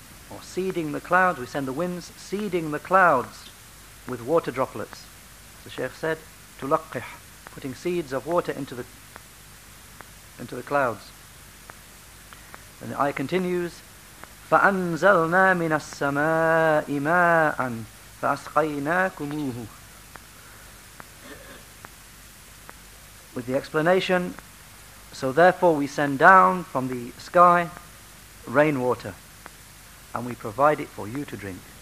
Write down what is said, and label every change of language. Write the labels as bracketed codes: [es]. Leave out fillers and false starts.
[en] Or seeding the clouds, we send the winds seeding the clouds with water droplets. The Shaykh said, تُلَقِّح. Putting seeds of water into the clouds. And the ayah continues, [ar] فَأَنْزَلْنَا مِنَ السَّمَاءِ مَاءً فَأَسْقَيْنَاكُمُوهُ. [en] With the explanation, so therefore we send down from the sky rainwater, and we provide it for you to drink.